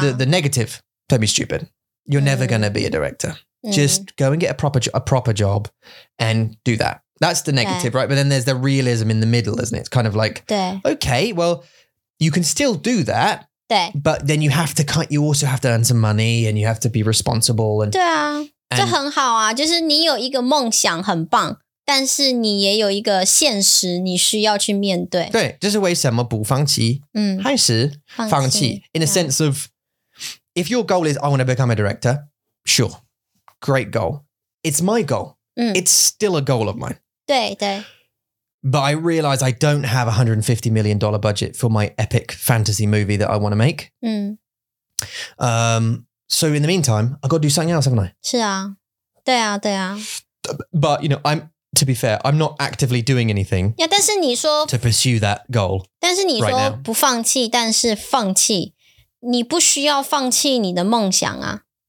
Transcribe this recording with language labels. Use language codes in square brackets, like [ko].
[en] The negative. Don't be stupid. You're never going to be a director. Just go and get a proper job and do that. That's the negative, right? But then there's the realism in the middle, isn't it? It's kind of like, [zh] 对。 [en] Okay, well, you can still do that. [zh] 对。 [en] But then you also have to earn some money and you have to be responsible. And, [zh] 对啊。这很好啊，就是你有一个梦想很棒，但是你也有一个现实，你需要去面对。对，这是为什么不放弃？还是放弃 [en] ？In a sense of, if your goal is I want to become a director, sure, great goal. It's my goal. It's still a goal of mine. [zh] 对对。 [en] But I realize I don't have $150 million budget for my epic fantasy movie that I want to make. So in the meantime, I've got to do something else, haven't I? [zh] 是啊，对啊，对啊。 [en] But, you know, I'm, to be fair, I'm not actively doing anything [zh] yeah, 但是你说, [en] to pursue that goal [zh] 但是你说不放弃，但是放弃，你不需要放弃你的梦想啊。